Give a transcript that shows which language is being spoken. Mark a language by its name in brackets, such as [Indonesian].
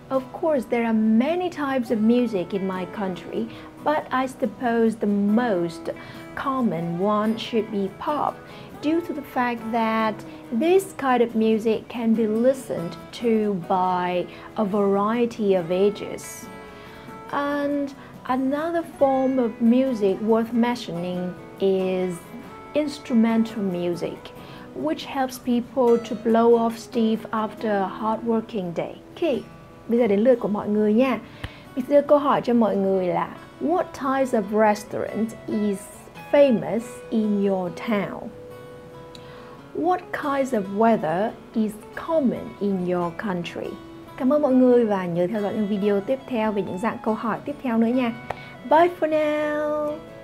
[English] Of course, there are many types of music in my country, but I suppose the most common one should be pop, due to the fact that this kind of music can be listened to by a variety of ages. And another form of music worth mentioning is instrumental music, which helps people to blow off steam after a hard working day. [Vietnamese] Okay, bây giờ đến lượt của mọi người nha. Mình sẽ đưa câu hỏi cho mọi người là [English] What types of restaurant is famous in your town? What kinds of weather is common in your country? [Vietnamese] Cảm ơn mọi người và nhớ theo dõi những video tiếp theo về những dạng câu hỏi tiếp theo nữa nha. [English] Bye for now!